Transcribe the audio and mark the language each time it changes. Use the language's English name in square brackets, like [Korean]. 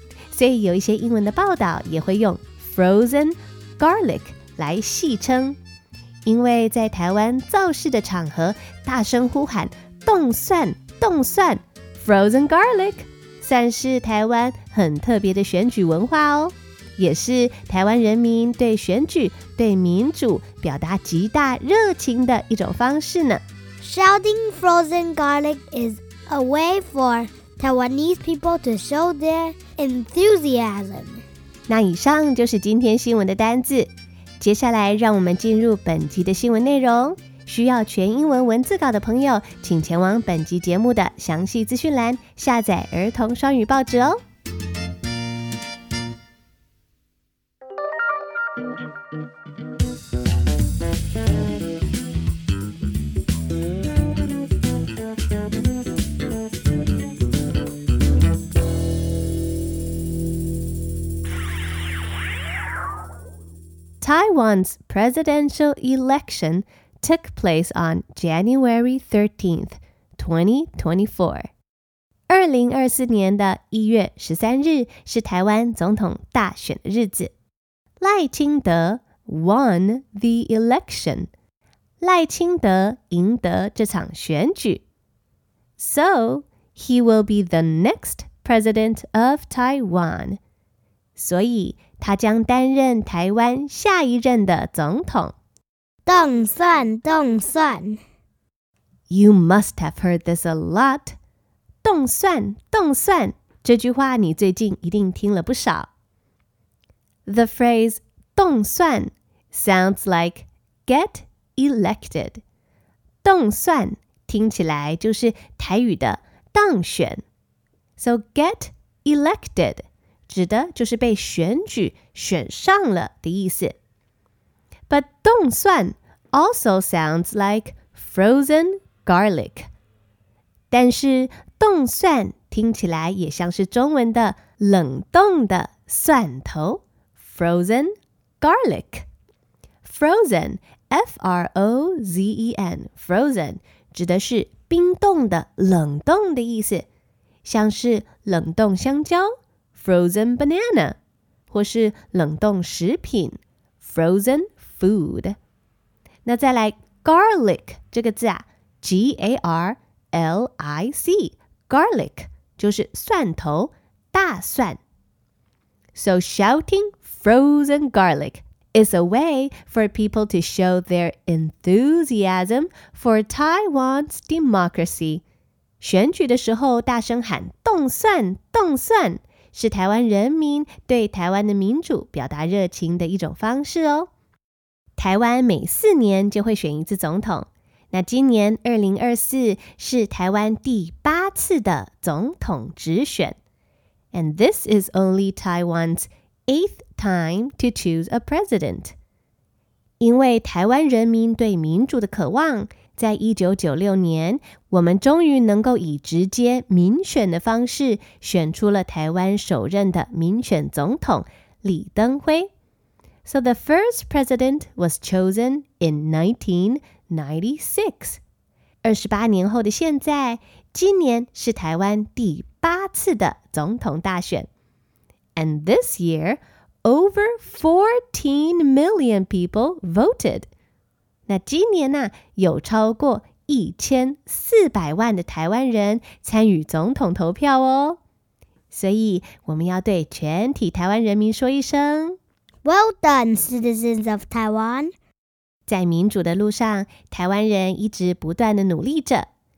[Chinese] 所以有一些英文的报道也会用 frozen garlic 来戏称，因为在台湾造势的场合大声呼喊冻蒜冻蒜 frozen garlic 算是台湾很特别的选举文化哦，也是台湾人民对选举对民主表达极大热情的一种方式呢。 [English] Shouting frozen garlic is a way for Taiwanese people to show their enthusiasm. [Chinese] 那以上就是今天新闻的单字，接下来让我们进入本集的新闻内容。需要全英文文字稿的朋友请前往本集节目的详细资讯栏下载儿童双语报纸哦。 [English] Taiwan's presidential election took place on January 13th, 2024. [Chinese] 2024年的1月13日是台湾总统大选的日子。 [English] 赖清德 won the election. [Chinese] 赖清德赢得这场选举。 [English] So, he will be the next president of Taiwan. [Chinese] 所以他将担任台湾下一任的总统。冻蒜，冻蒜。 [English] You must have heard this a lot. [Chinese] 冻蒜，冻蒜，这句话你最近一定听了不少。 [English] The phrase 冻蒜 sounds like get elected. [Chinese] 冻蒜听起来就是台语的当选。 [English] So get elected. [Chinese] 指的就是被选举选上了的意思。 [English] But 冻蒜 also sounds like frozen garlic. [Chinese] 但是冻蒜听起来也像是中文的冷冻的蒜头 frozen garlic. Frozen, F-R-O-Z-E-N, frozen, 指的是冰冻的冷冻的意思，像是冷冻香蕉Frozen banana, 或是冷冻食品 Frozen food. 那再来 garlic 这个字啊 G-A-R-L-I-C, garlic, 就是蒜头大蒜。 [English] So shouting frozen garlic is a way for people to show their enthusiasm for Taiwan's democracy. [Chinese] 选举的时候大声喊冻蒜冻蒜是台湾人民对台湾的民主表达热情的一种方式哦。台湾每四年就会选一次总统，那今年2024是台湾第八次的总统直选。 [English] And this is only Taiwan's eighth time to choose a president. [Chinese] 因为台湾人民对民主的渴望，在1996年我们终于能够以直接民选的方式选出了台湾首任的民选总统李登辉。 [English] So the first president was chosen in 1996. [Chinese] 28年后的现在，今年是台湾第八次的总统大选。 [English] And this year, over 14 million people voted. [Chinese] 那今年呢、啊，有超过1400万的台湾人参与总统投票哦，所以我们要对全体台湾人民说一声 [English] ，Well done, citizens of Taiwan！ [Chinese] 在民主的路上，台湾人一直不断的努力着。